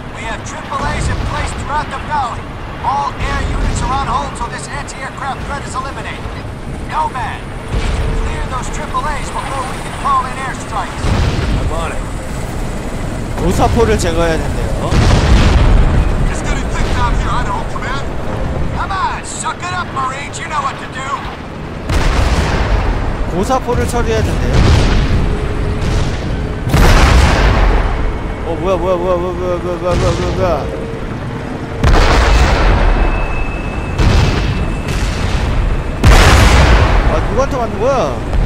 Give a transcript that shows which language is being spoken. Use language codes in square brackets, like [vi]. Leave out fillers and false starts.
[en] We have AAAs in place throughout the valley. All air units are on hold till this anti-aircraft threat is eliminated. Nomad, we need to clear those AAAs before we can call in airstrikes. move on it. [ko] 도사포를 제거해야 된대요. [en] It's gonna be picked up here, I don't come in. Come on, suck it up, Marines. You know what to do. [ko] 도사포를 처리해야 된대요. 어 뭐야 뭐야 뭐야 뭐야 뭐야 뭐야 뭐야 뭐야 뭐야 뭐야 아 누구한테 맞는 거야?